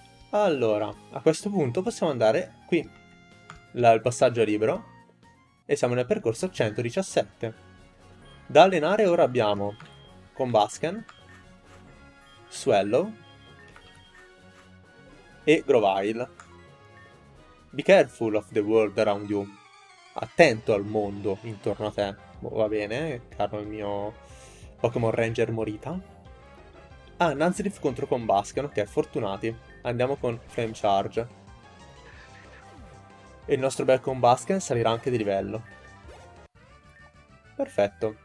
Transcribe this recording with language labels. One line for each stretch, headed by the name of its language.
Italian: Allora, a questo punto possiamo andare qui. Il passaggio è libero. E siamo nel percorso 117. Da allenare ora abbiamo Combusken, Swallow e Grovyle.
English: Be careful of the world around you.
Italian: Attento al mondo intorno a te. Oh, va bene, caro il mio Pokémon Ranger Morita. Ah, Nuzleaf contro Combusken. Ok, fortunati. Andiamo con Flame Charge. E il nostro bel Combusken salirà anche di livello. Perfetto.